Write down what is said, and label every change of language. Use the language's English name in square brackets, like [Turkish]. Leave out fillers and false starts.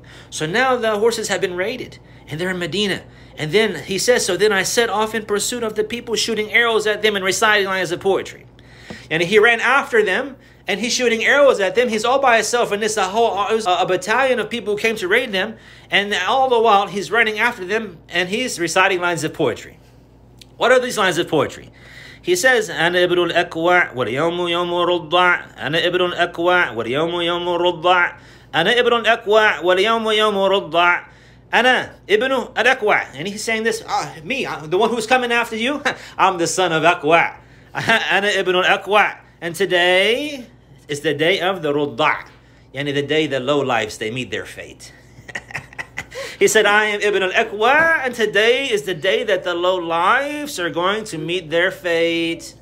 [English] So now the horses have been raided and they're in Medina. And then he says, so then I set off in pursuit of the people, shooting arrows at them and reciting lines of poetry. And he ran after them and he's shooting arrows at them. He's all by himself and it's a whole, it was a battalion of people who came to raid them. And all the while he's running after them and he's reciting lines of poetry. What are these lines of poetry? He says, [Arabic] أنا ابن الأكوع واليوم يوم الرضع. أنا ابن الأكوع واليوم يوم الرضع. أنا ابن الأكوع واليوم يوم الرضع. أنا ابن الأكوع. [English] And he's saying this, me, the one who's coming after you, I'm the son of أكوع. [Arabic] أنا ابن الأكوع. [English] And today is the day of the رضع. [Arabic] يعني [English] the day the low lives, they meet their fate. He said, I am Ibn al-Aqwa, and today is the day that the low lives are going to meet their fate.